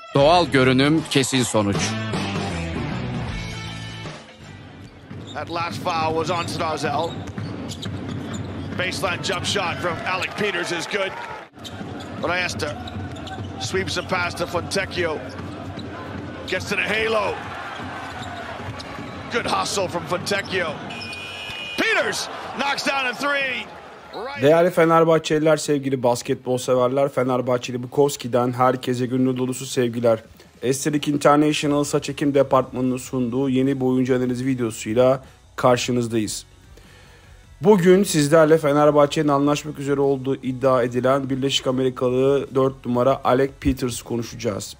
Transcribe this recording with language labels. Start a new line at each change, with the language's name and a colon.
Turkish: Doğal görünüm, kesin sonuç.
English: That last foul was on Stozel. Baseline jump shot from Alec Peters is good. Reyesta sweeps a pass to Fontecchio. Gets to the halo. Good hustle from Fontecchio. Peters knocks down a three.
Turkish: Değerli Fenerbahçeliler, sevgili basketbol severler, Fenerbahçeli Bukowski'den herkese gönül dolusu sevgiler. Estetik International Saç Ekim Departmanı'nın sunduğu yeni bir oyuncu analiz videosuyla karşınızdayız. Bugün sizlerle Fenerbahçe'nin anlaşmak üzere olduğu iddia edilen Birleşik Amerikalı 4 numara Alec Peters konuşacağız.